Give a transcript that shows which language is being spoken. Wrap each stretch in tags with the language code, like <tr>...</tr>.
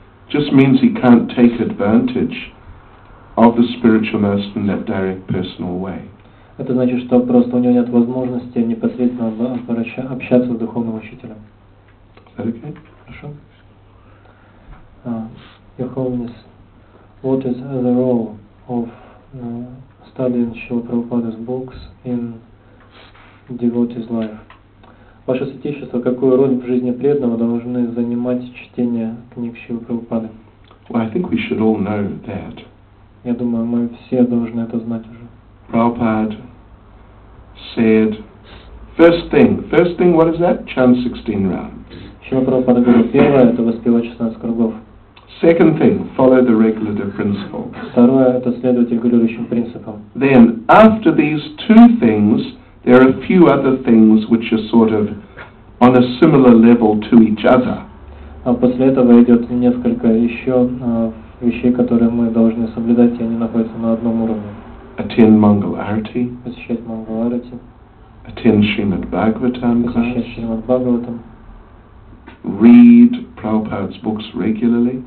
<en>Just means he can't take advantage of the spiritual nurse in that direct personal way.</en> <ru>Это значит, что просто у него нет возможности непосредственно общаться с духовным учителем. Хорошо.</ru> <en>Your Holiness, what is the role of studying Srila Prabhupada's books in devotee's life?</en> <ru>Ваше святейшество, какую роль в жизни преданного должны занимать чтение книг Шрилы Прабхупады?</ru> <en>Well, I think we should all know that.</en> <ru>Я думаю, мы все должны это знать уже.</ru> <en>Prabhupada said, first thing, what is that? Chant 16 rounds.</en> <ru>Шрила Прабхупада говорит, первое — это воспевать 16 кругов.</ru> <en>Second thing, follow the regulative principles.</en> <ru>Второе — это следовать регулирующим принципам.</ru> <en>Then, after these two things, there are a few other things which are sort of on a similar level to each other.</en> <ru>А после этого идет несколько еще вещей, которые мы должны соблюдать, и они находятся на одном уровне.</ru> <en>Attend Mangal Arati.</en> <ru>Посещать Mangal Arati.</ru> <en>Attend Srimad Bhagavatam.</en> <ru>Посещать Srimad Bhagavatam.</ru> <en>Read Prabhupada's books regularly.</en>